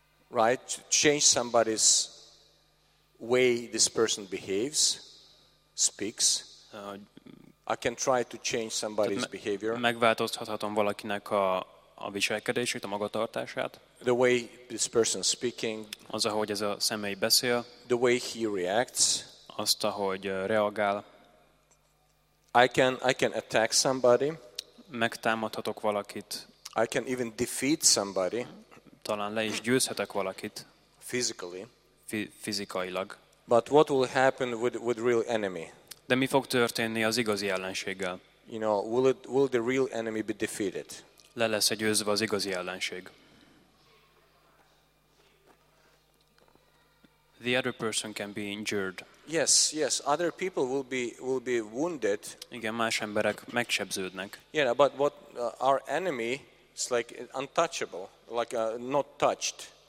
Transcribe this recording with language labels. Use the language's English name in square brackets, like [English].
[English] Right, change somebody's way this person behaves, speaks. I can try to change somebody's behavior. [Hungarian] Megváltoztathatom valakinek a viselkedését, a magatartását. [English] The way this person speaking. [Hungarian] Az, ahogy ez a személy beszél. [English] The way he reacts. [Hungarian] Azt, ahogy reagál. [English] I can attack somebody. [Hungarian] Megtámadhatok valakit. [English] I can even defeat somebody. [Hungarian] Talán le is győzhetek valakit. [English] Physically. [Hungarian] Fizikailag. [English] But what will happen with real enemy? [Hungarian] De mi fog történni az igazi ellenséggel? [English] You know, will the real enemy be defeated? [Hungarian] Le lesz-e győzve az igazi ellenség? [English] The other person can be injured. Yes, yes. Other people will be wounded. [Hungarian] Igen, más emberek megsebződnek. [English] Yeah, but what our enemy is like untouchable, like not touched.